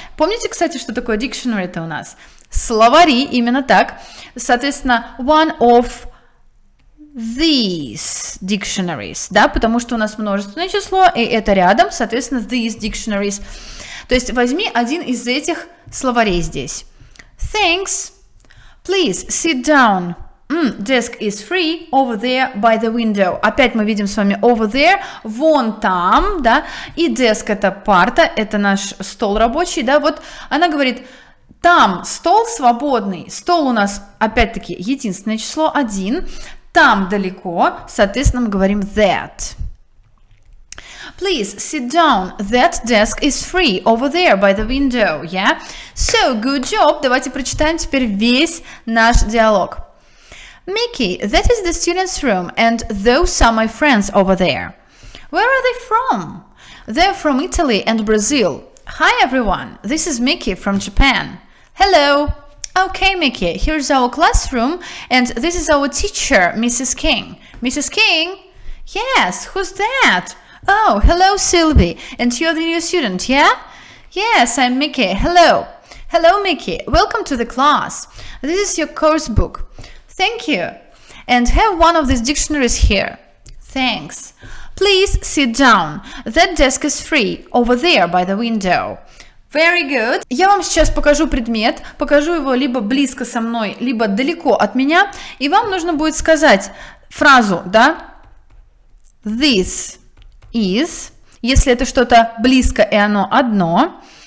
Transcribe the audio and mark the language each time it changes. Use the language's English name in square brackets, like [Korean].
[Russian] Помните, кстати, что такое dictionary это у нас? Словари, именно так. Соответственно, [English] one of these dictionaries, [Russian] да, потому что у нас множественное число, и это рядом, соответственно, [English] these dictionaries. [Russian] То есть возьми один из этих словарей здесь. [English] Thanks. Please sit down. Desk is free over there by the window. [Russian] Опять мы видим с вами [English] over there, [Russian] вон там, да, и desk это парта, это наш стол рабочий, да, вот она говорит, там стол свободный, стол у нас, опять-таки, единственное число, один, там далеко, соответственно, мы говорим that. [English] Please sit down, that desk is free over there by the window, yeah? So, good job, [Russian] давайте прочитаем теперь весь наш диалог. [English] Mickey, that is the students' room, and those are my friends over there. Where are they from? They're from Italy and Brazil. Hi, everyone. This is Mickey from Japan. Hello. Okay, Mickey, here's our classroom, and this is our teacher, Mrs. King. Mrs. King? Yes, who's that? Oh, hello, Sylvie. And you're the new student, yeah? Yes, I'm Mickey. Hello. Hello, Mickey. Welcome to the class. This is your course book. Thank you. And have one of these dictionaries here. Thanks. Please sit down. That desk is free over there by the window. Very good. [Russian] Я вам сейчас покажу предмет, покажу его либо близко со мной, либо далеко от меня, и вам нужно будет сказать фразу, да? [English] This is, [Russian] если это что-то близко и оно одно.